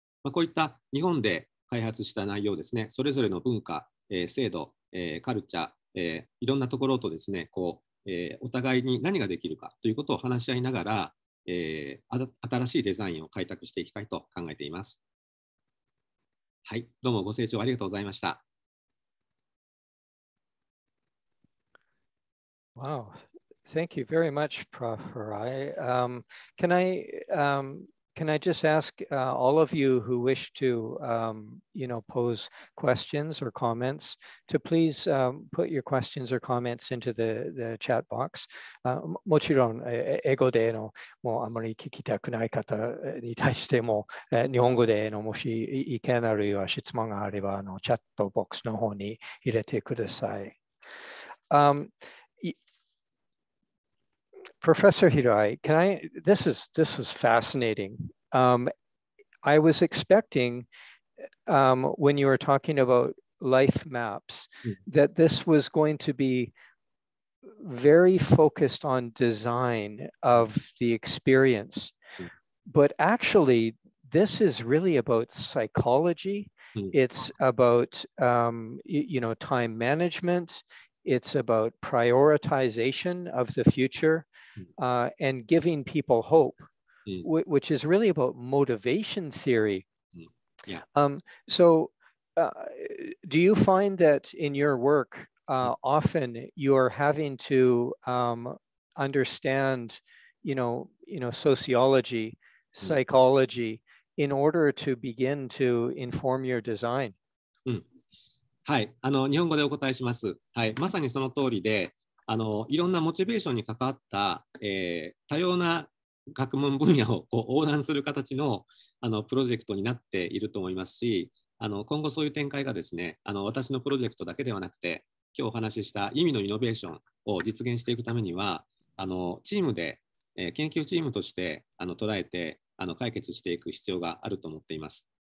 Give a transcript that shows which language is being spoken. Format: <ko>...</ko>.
<ja>こういった日本で開発した内容ですね、それぞれの文化、制度、カルチャー、いろんなところとですね、お互いに何ができるかということを話し合いながら、新しいデザインを開拓していきたいと考えています。はい、どうもご清聴ありがとうございました。</ja> <en>Wow, thank you very much, Prof. Hirai. Can I, Can I just ask all of you who wish to, you know, pose questions or comments to please put your questions or comments into the chat box.</en> <ja>もちろん英語でのもうあまり聞きたくない方に対しても日本語でのもし意見あるいは質問があればあのチャットボックスの方に入れてください。</ja> <en>Professor Hirai, this was fascinating. I was expecting when you were talking about life maps, that this was going to be very focused on design of the experience. But actually, this is really about psychology. It's about, time management. It's about prioritization of the future. And giving people hope, which is really about motivation theory. Do you find that in your work, often you're having to understand, sociology, psychology, in order to begin to inform your design?</en> <ja>はい、あの、日本語でお答えします。はい、まさにその通りで、あのいろんなモチベーションに関わった、多様な学問分野をこう横断する形 の, あのプロジェクトになっていると思いますし、あの今後そういう展開がですね、あの私のプロジェクトだけではなくて今日お話しした意味のイノベーションを実現していくためには、あのチームで、研究チームとしてあの捉えて、あの解決していく必要があると思っています。</ja>